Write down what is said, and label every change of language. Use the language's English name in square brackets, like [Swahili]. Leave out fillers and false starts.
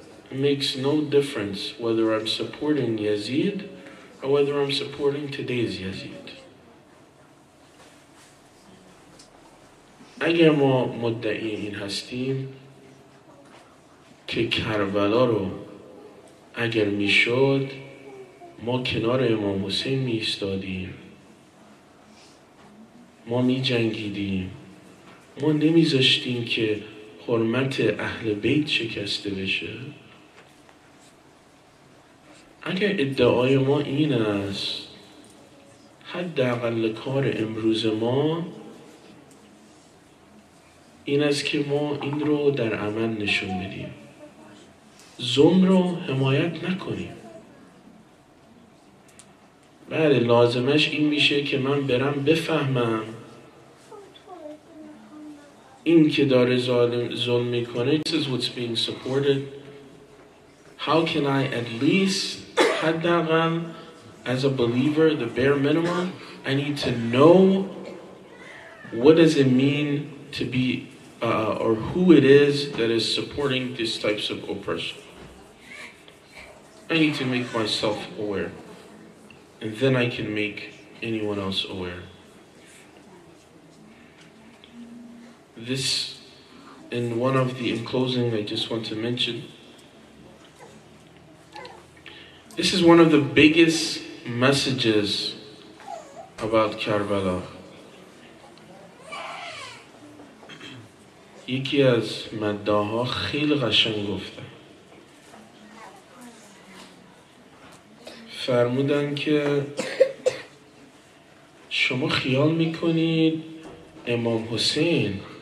[English] Makes no difference whether I'm supporting Yazid or whether I'm supporting today's Yazid. [Persian] اگر ما مدعی این هستیم که کربلا رو اگر میشد ما کنار امام حسین می ایستادیم، ما می جنگیدیم، ما نمی زاشتیم که حرمت اهل بیت شکسته بشه، اگر ادعای ما این است، حداقل کار امروز ما این است که ما این رو در عمل نشون بدیم، ظلم رو حمایت نکنیم. بله لازمش این میشه که من برم بفهمم این که داره ظلم میکنه. [English] This is what's being supported. How can I at least [Persian] حداقل [English] as a believer, the bare minimum, I need to know what does it mean to be or who it is that is supporting these types of oppression. I need to make myself aware. And then I can make anyone else aware. This, in one of the in closing, I just want to mention, this is one of the biggest messages about Karbala. [Persian] یکی از مداها خیلی قشنگ گفته، فرمودن که شما خیال میکنید امام حسین